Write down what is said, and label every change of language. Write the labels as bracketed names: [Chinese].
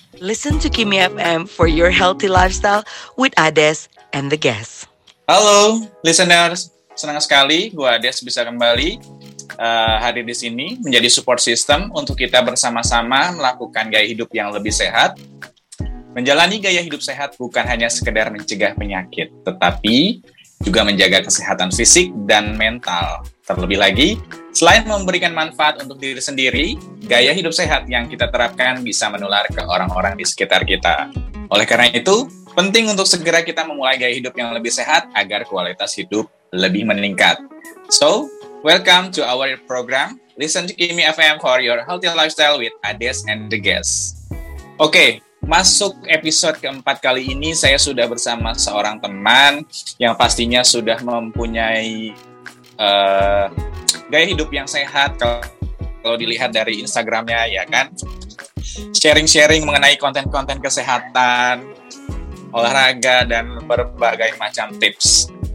[English] Listen to Kimi FM for your healthy lifestyle with Ades and the guests. [Indonesian] Halo, listeners. Senang sekali gue Ades bisa kembali hadir di sini menjadi support system untuk kita bersama-sama melakukan gaya hidup yang lebih sehat. Menjalani gaya hidup sehat bukan hanya sekedar mencegah penyakit, tetapi juga menjaga kesehatan fisik dan mental. Terlebih lagi, selain memberikan manfaat untuk diri sendiri, gaya hidup sehat yang kita terapkan bisa menular ke orang-orang di sekitar kita. Oleh karena itu, penting untuk segera kita memulai gaya hidup yang lebih sehat agar kualitas hidup lebih meningkat. [English] So, welcome to our program, Listen to Kimi FM for your healthy lifestyle with Ades and the guests. [Indonesian] Oke, masuk episode keempat kali ini, saya sudah bersama seorang teman yang pastinya sudah mempunyai gaya hidup yang sehat kalau dilihat dari Instagramnya, ya kan? Sharing-sharing mengenai konten-konten kesehatan, olahraga, dan berbagai macam tips.